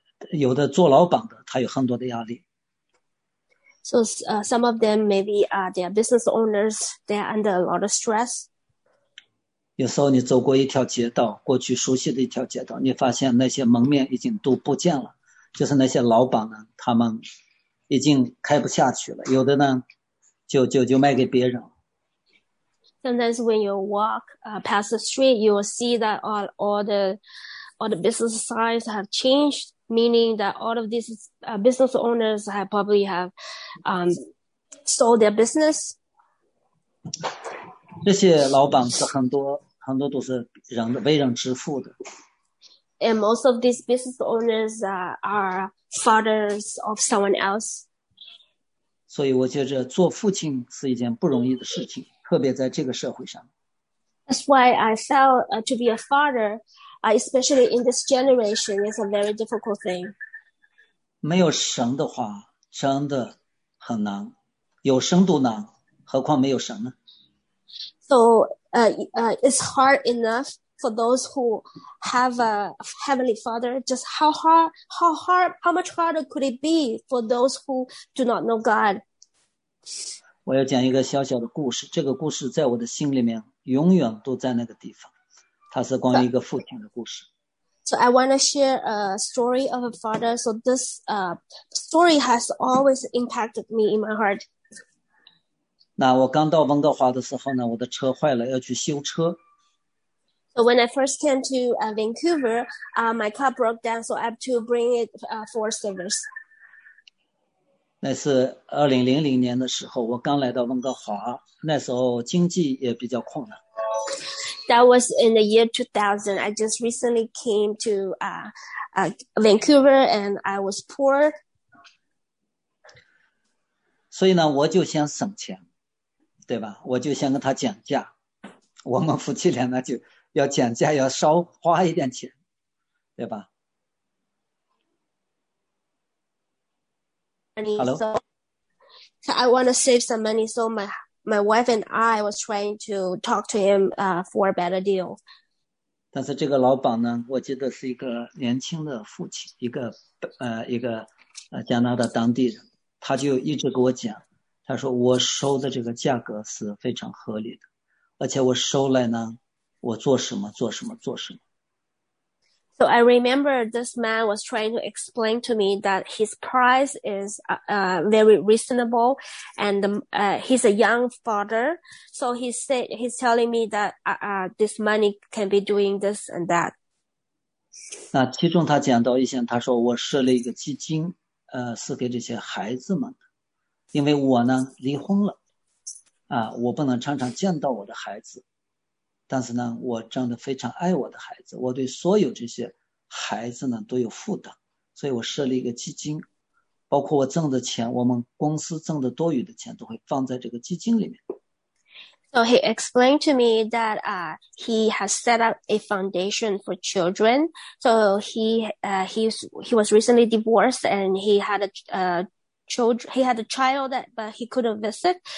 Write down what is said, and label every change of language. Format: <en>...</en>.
<zh>有的做老板的，他有很多的压力。</zh> <en>So some of them maybe are their business owners, they are under a lot of stress.</en> <zh>有时候你走过一条街道，过去熟悉的一条街道，你发现那些门面已经都不见了。就是那些老板呢，他们已经开不下去了，有的呢就卖给别人。</zh> <en>Sometimes when you walk past the street, you will see that all the business signs have changed, meaning that all of these business owners have probably sold their business.</en> <zh>这些老板是很多很多都是人的为人支付的。</zh> <en>And most of these business owners are fathers of someone else.</en> <zh>所以我觉得做父亲是一件不容易的事情，特别在这个社会上。</zh> <en>That's why I felt to be a father, especially in this generation, is a very difficult thing.</en> <zh>没有神的话，真的很难，有神都难，何况没有神呢？</zh> <en>So it's hard enough. for those who have a Heavenly Father, just how much harder could it be for those who do not know God?</en> <zh>我要讲一个小小的故事，这个故事在我的心里面永远都在那个地方，它是关于一个父亲的故事。</zh> <en>So I want to share a story of a father. So this story has always impacted me in my heart.</en> <zh>那我刚到温哥华的时候呢，我的车坏了，要去修车。</zh> <en>So when I first came to Vancouver, my car broke down, so I have to bring it for service.</en> <zh>那是2000年的时候，我刚来到温哥华，那时候经济也比较困难。</zh> <en>That was in the year 2000. I just recently came to Vancouver and I was poor.</en> <zh>所以呢，我就先省钱，对吧？我就先跟他讲价。我们夫妻俩呢，就要讲价，要少花一点钱，对吧 ？</zh> <en>Hello. So I want to save some money, so my wife and I was trying to talk to him for a better deal.</en> <zh>但是这个老板呢，我记得是一个年轻的父亲，一个加拿大当地人，他就一直跟我讲，他说我收的这个价格是非常合理的，而且我收来呢，我做什么做什么做什么。</zh> <en>So I remember this man was trying to explain to me that his price is very reasonable, and he's a young father. So he's telling me that this money can be doing this and that.</en> <zh>那其中他讲到一些，他说我设了一个基金，是给这些孩子们的，因为我呢离婚了，我不能常常见到我的孩子。但是呢，我真的非常爱我的孩子，我对所有这些孩子呢都有负担，所以我设立一个基金，包括我挣的钱，我们公司挣的多余的钱都会放在这个基金里面。</zh> <en>So he explained to me that he has set up a foundation for children. So he was recently divorced and he had a child that but he couldn't visit.</en>